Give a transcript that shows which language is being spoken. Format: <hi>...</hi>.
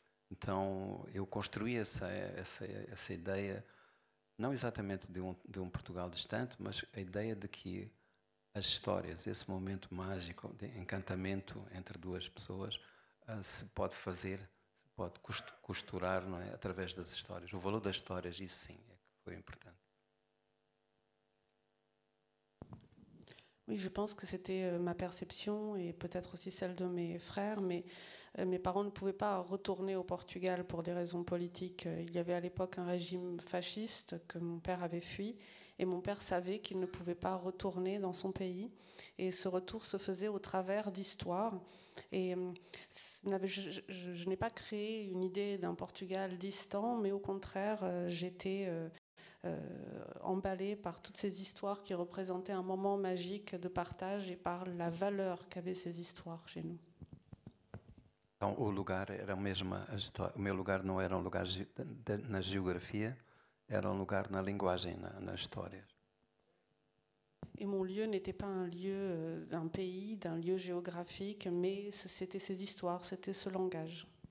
<pt>Então, eu construí essa ideia, não exatamente de um Portugal distante, mas a ideia de que as histórias, esse momento mágico de encantamento entre duas pessoas, se pode fazer, se pode costurar, não é? Através das histórias. O valor das histórias, isso sim, é que foi importante.</pt> <fr>Oui, je pense que c'était ma perception et peut-être aussi celle de mes frères, mais mes parents ne pouvaient pas retourner au Portugal pour des raisons politiques. Il y avait à l'époque un régime fasciste que mon père avait fui, et mon père savait qu'il ne pouvait pas retourner dans son pays, et ce retour se faisait au travers d'histoires. Et je n'ai pas créé une idée d'un Portugal distant, mais au contraire, j'étais emballée par toutes ces histoires qui représentaient un moment magique de partage et par la valeur qu'avaient ces histoires chez nous.</fr> <pt>Então, o lugar era mesmo a história. O meu lugar não era um lugar na geografia, era um lugar na linguagem, na história.</pt> <fr>E mon lieu n'était pas un lieu d'un pays, d'un lieu géographique, mais c'était ces histoires, c'était ce langage.</fr>